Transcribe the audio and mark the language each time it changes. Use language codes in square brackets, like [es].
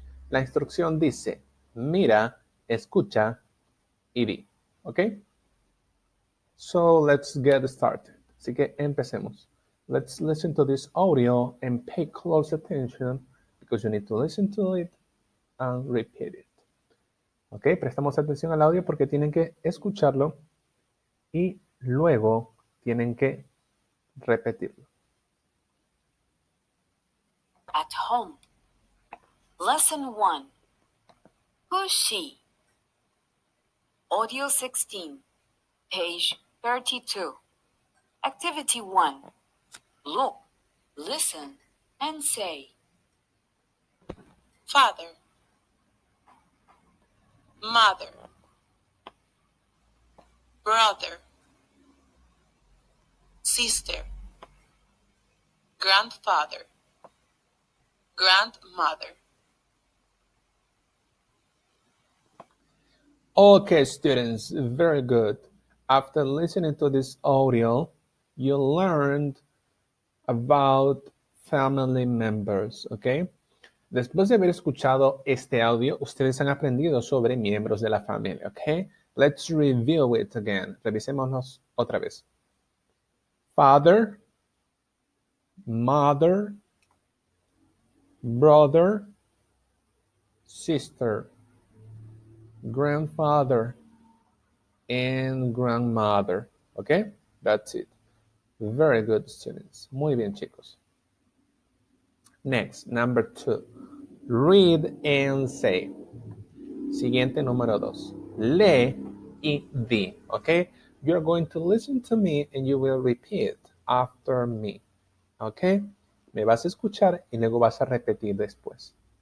[es] La instrucción dice, mira, escucha, y di. Okay? [en] So, let's get started. [es] Así que empecemos. [en] Let's listen to this audio and pay close attention because you need to listen to it and repeat it. Okay? [es] Prestamos atención al audio porque tienen que escucharlo y luego tienen que repetirlo. [en] At home. Lesson 1. Who's she? Audio 16. Page 32. Activity 1. Look, listen, and say. Father. Mother. Brother. Sister, grandfather, grandmother. Okay, students, very good. After listening to this audio, you learned about family members, okay? [es] Después de haber escuchado este audio, ustedes han aprendido sobre miembros de la familia, okay? [en] Let's review it again. [es] Revisémonos otra vez. [en] Father, mother, brother, sister, grandfather, and grandmother. Okay, that's it. Very good, students. [es] Muy bien, chicos. [en] Next, number two. Read and say. [es] Siguiente número dos. Lee y di. Okay. [en] You're going to listen to me and you will repeat after me. Okay? [es] Me vas a escuchar y luego vas a repetir después.